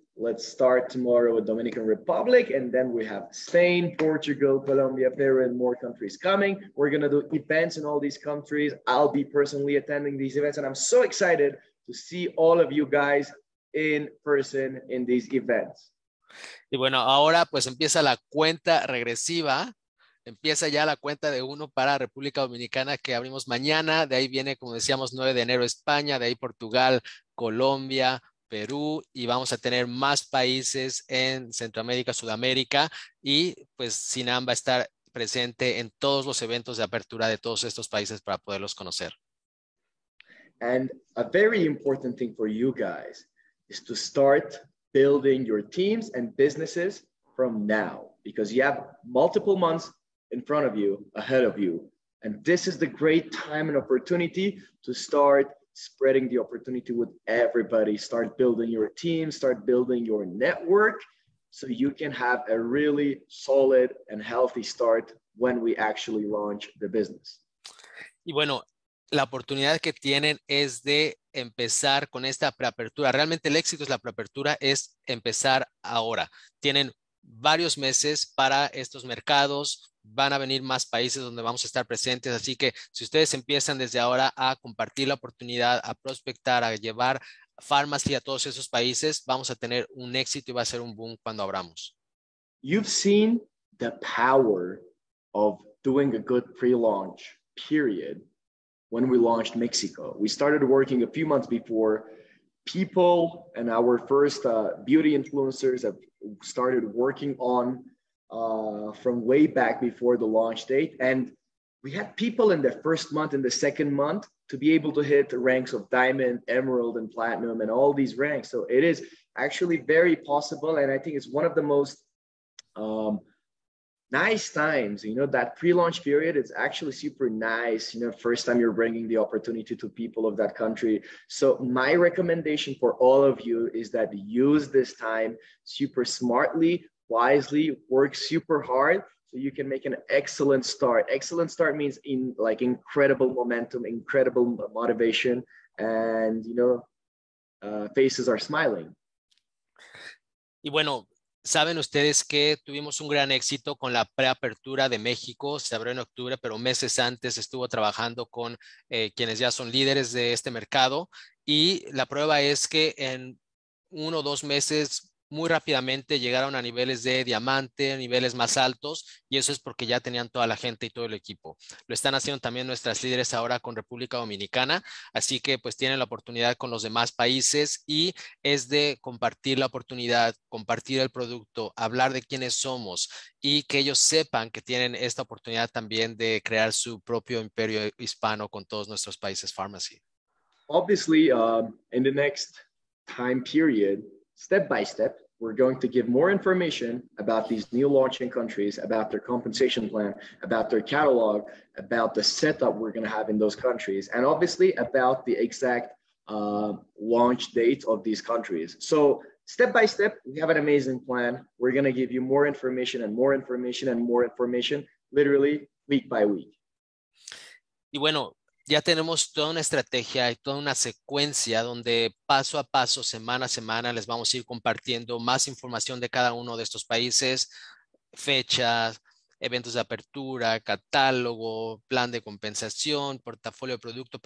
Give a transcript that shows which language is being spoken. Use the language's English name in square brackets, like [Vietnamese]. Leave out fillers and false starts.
[English] Let's start tomorrow with Dominican Republic, and then we have Spain, Portugal, Colombia, Peru, and more countries coming. We're going to do events in all these countries. I'll be personally attending these events, and I'm so excited to see all of you guys in person in these events. [Spanish] Y bueno, ahora pues empieza la cuenta regresiva. Empieza ya la cuenta de uno para República Dominicana, que abrimos mañana. De ahí viene, como decíamos, 9 de enero España, de ahí Portugal, Colombia, Perú, y vamos a tener más países en Centroamérica, Sudamérica, y pues Sinan va a estar presente en todos los eventos de apertura de todos estos países para poderlos conocer. [English] And a very important thing for you guys is to start building your teams and businesses from now, because you have multiple months in front of you, ahead of you, and this is the great time and opportunity to start spreading the opportunity with everybody. Start building your team, start building your network, so you can have a really solid and healthy start when we actually launch the business. [Spanish] Y bueno, la oportunidad que tienen es de empezar con esta preapertura. Realmente el éxito es la preapertura, es empezar ahora. Tienen varios meses para estos mercados. Van a venir más países donde vamos a estar presentes. Así que si ustedes empiezan desde ahora a compartir la oportunidad, a prospectar, a llevar pharmacy a todos esos países, vamos a tener un éxito y va a ser un boom cuando abramos. [English] You've seen the power of doing a good pre-launch period when we launched Mexico. We started working a few months before. People and our first beauty influencers have started working on from way back before the launch date. And we had people in the first month, in the second month, to be able to hit the ranks of diamond, emerald, and platinum, and all these ranks. So it is actually very possible. And I think it's one of the most nice times, you know, that pre-launch period. It's actually super nice, you know, first time you're bringing the opportunity to people of that country. So my recommendation for all of you is that use this time super smartly, wisely, work super hard so you can make an excellent start. Excellent start means in like incredible momentum, incredible motivation, and you know, faces are smiling. [Spanish] Y bueno, saben ustedes que tuvimos un gran éxito con la preapertura de México. Se abrió en octubre, pero meses antes estuvo trabajando con quienes ya son líderes de este mercado. Y la prueba es que en 1 o 2 meses, muy rápidamente llegaron a niveles de diamante, niveles más altos, y eso es porque ya tenían toda la gente y todo el equipo. Lo están haciendo también nuestras líderes ahora con República Dominicana, así que pues tienen la oportunidad con los demás países, y es de compartir la oportunidad, compartir el producto, hablar de quiénes somos, y que ellos sepan que tienen esta oportunidad también de crear su propio imperio hispano con todos nuestros países pharmacy. [English] Obviously, in the next time period, step by step, we're going to give more information about these new launching countries, about their compensation plan, about their catalog, about the setup we're going to have in those countries, and obviously about the exact launch date of these countries. So step by step, we have an amazing plan. We're going to give you more information and more information and more information, literally week by week. [Spanish] Y bueno, ya tenemos toda una estrategia y toda una secuencia donde paso a paso, semana a semana, les vamos a ir compartiendo más información de cada uno de estos países, fechas, eventos de apertura, catálogo, plan de compensación, portafolio de producto.